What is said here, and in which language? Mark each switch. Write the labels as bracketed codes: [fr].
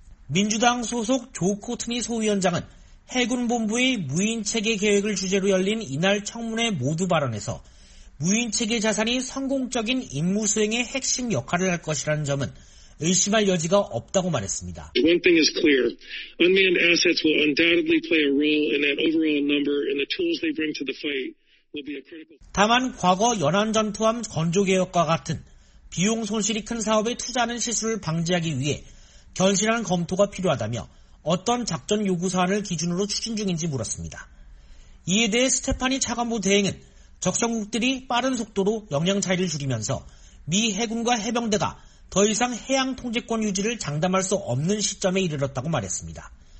[ko] 민주당 소속 조 코트니 소위원장은 해군본부의 무인체계 계획을 주제로 열린 이날 청문회 모두 발언에서 무인체계 자산이 성공적인 임무 수행의 핵심 역할을 할 것이라는 점은 의심할 여지가 없다고 말했습니다. [en] One thing is clear. Unmanned assets will undoubtedly play a role in that overall number and the tools they bring to the fight. [ko] 다만 과거 연안전투함 건조개혁과 같은 비용 손실이 큰 사업에 투자하는 실수를 방지하기 위해 견실한 검토가 필요하다며 어떤 작전 요구사안을 기준으로 추진 중인지 물었습니다. 이에 대해 스테파니 차관보 대행은 적성국들이 빠른 속도로 역량 차이를 줄이면서 미 해군과 해병대가 더 이상 해양 통제권 유지를 장담할 수 없는 시점에 이르렀다고 말했습니다.